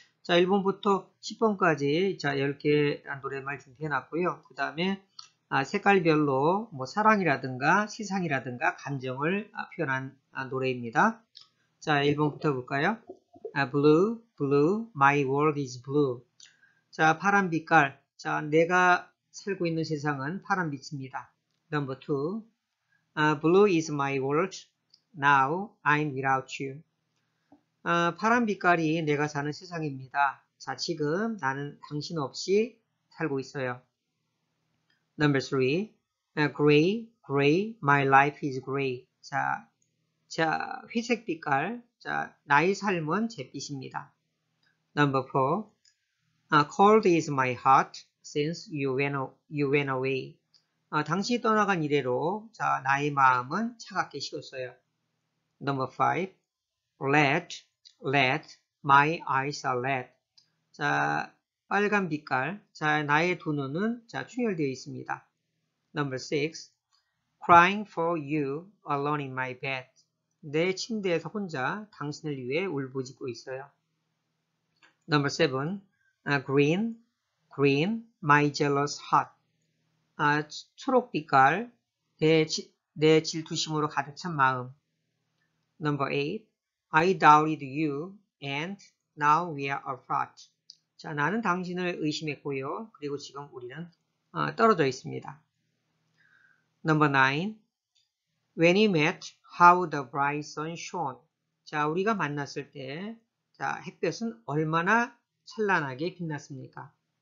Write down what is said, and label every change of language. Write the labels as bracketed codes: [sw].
[ko] 자, 1번부터 10번까지 자, 10개의 노랫말 준비해놨고요. 그 다음에 아, 색깔별로 뭐 사랑이라든가 시상이라든가 감정을 표현한 노래입니다. 자, 1번부터 볼까요? 아, [en] Blue, Blue, My World is Blue. [ko] 자, 파란 빛깔. 자, 내가 살고 있는 세상은 파란 빛입니다. [en] Number two, blue is my world. Now I'm without you. [ko] 파란 빛깔이 내가 사는 세상입니다. 자, 지금 나는 당신 없이 살고 있어요. [en] Number three, gray, gray, my life is gray. [ko] 자, 회색 빛깔. 자, 나의 삶은 잿빛입니다. [en] Number four, cold is my heart. Since you went away. [ko] 당신이 떠나간 이래로, 자, 나의 마음은 차갑게 식었어요. [en] Number five. Red, my eyes are red. [ko] 자, 빨간 빛깔. 자, 나의 두 눈은, 자, 충혈되어 있습니다. [en] Number six. Crying for you alone in my bed. [ko] 내 침대에서 혼자 당신을 위해 울부짖고 있어요. [en] Number seven. Green, my jealous heart. [ko] 아, 초록 빛깔, 내 질투심으로 가득 찬 마음. [en] Number eight, I doubted you, and now we are apart. [ko] 자, 나는 당신을 의심했고요. 그리고 지금 우리는 떨어져 있습니다. [en] Number nine, when you met, how the bright sun shone. [ko] 자, 우리가 만났을 때, 자, 햇볕은 얼마나 찬란하게 빛났습니까?